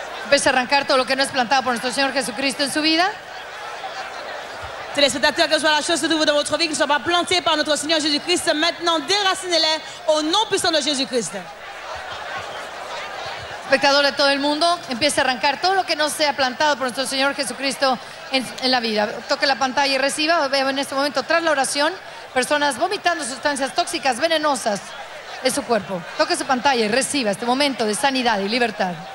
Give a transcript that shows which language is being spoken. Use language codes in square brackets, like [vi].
[es] ¿Ves arrancar todo lo que no es plantado por nuestro Señor Jesucristo en su vida? [fr] Téléspectateurs, que soit la chose que trouve dans votre vie, qui ne soit pas plantée par notre Seigneur Jésus-Christ, maintenant déracinez-les au nom puissant de Jésus-Christ. [es] Espectador de todo el mundo, empiece a arrancar todo lo que no sea plantado por nuestro Señor Jesucristo en la vida. Toque la pantalla y reciba, veo en este momento, tras la oración, personas vomitando sustancias tóxicas, venenosas en su cuerpo. Toque su pantalla y reciba este momento de sanidad y libertad.